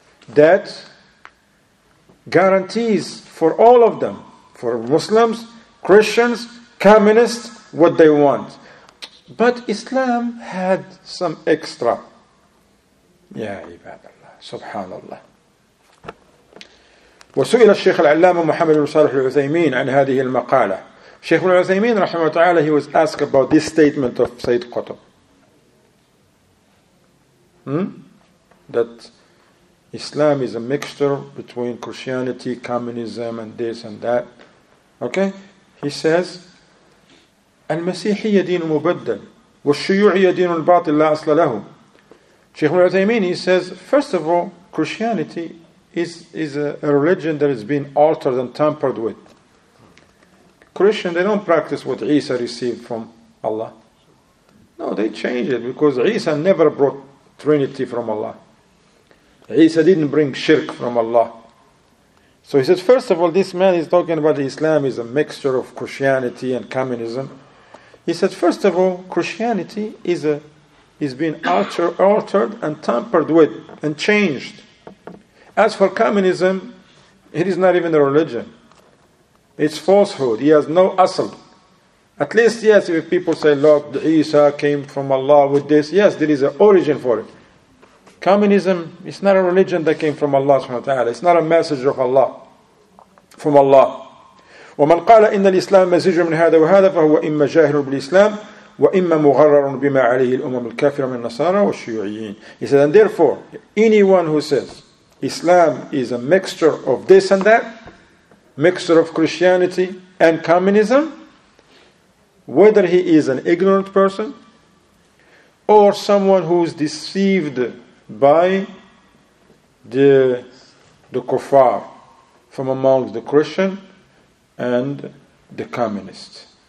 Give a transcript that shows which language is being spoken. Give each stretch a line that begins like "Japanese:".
English: That guarantees for all of them, for Muslims, Christians, communists, what they want. But Islam had some extra.
Arabic: Ya ibadallah, subhanallah. وسئل الشيخ العلامة محمد بن صالح العثيمين عن هذه المقالة. الشيخ العثيمين رحمه الله تعالى,
English: he was asked about this statement of Sayyid Qutb. That Islam is a mixture between Christianity, communism, and this and that. Okay? He says,
Arabic: المسيحي دين مبدل والشيوعي دين الباطل لا أصل له.
English: Sheikh Al-Uthaymeen, he says, first of all, Christianity is a religion that has been altered and tampered with. Christians, they don't practice what Isa received from Allah. No, they changed it because Isa never brought Trinity from Allah. Isa didn't bring shirk from Allah. So he says, first of all, this man is talking about Islam is a mixture of Christianity and communism. He said, first of all, Christianity is being altered and tampered with and changed. As for communism, it is not even a religion. It's falsehood. He has no asl. At least, yes, if people say, look, Isa came from Allah with this, yes, there is an origin for it. Communism is not a religion that came from Allah subhanahu wa ta'ala. It's not a message of Allah. From Allah.
Arabic: ومن قال إن الإسلام مزيج من هذا وهذا فهو إما جاهل بالإسلام وإما مغرر بما عليه الأمم الكافرة من النصارى والشيوعيين.
English: He said, and therefore, anyone who says Islam is a mixture of this and that, mixture of Christianity and communism, whether he is an ignorant person or someone who is deceived by the kuffar from among the Christian and the communist.